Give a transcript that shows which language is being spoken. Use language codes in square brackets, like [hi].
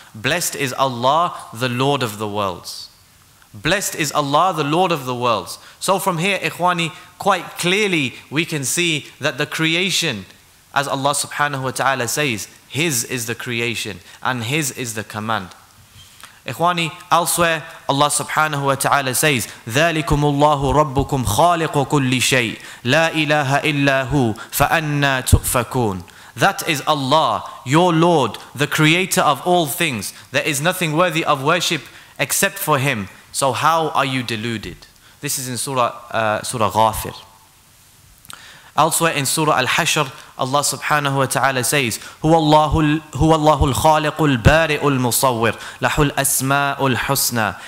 [en] Blessed is Allah, the Lord of the worlds. Blessed is Allah, the Lord of the worlds. So from here, ikhwani, quite clearly we can see that the creation, as Allah subhanahu wa ta'ala says, His is the creation and His is the command. Ikhwani, elsewhere, Allah subhanahu wa ta'ala says, [ar] ذَلِكُمُ اللَّهُ رَبُّكُمْ خَالِقُ كُلِّ شَيْءٍ لَا إِلَهَ إِلَّا هُوْ فَأَنَّا تُؤْفَكُونَ. [en] That is Allah, your Lord, the creator of all things. There is nothing worthy of worship except for Him. So how are you deluded? This is in Surah Ghafir. Elsewhere in Surah Al-Hashr, Allah subhanahu wa ta'ala says, [ar] هُوَ اللَّهُ الْخَالِقُ الْبَارِئُ الْمُصَوِّرِ لَهُ الْأَسْمَاءُ الْحُسْنَى.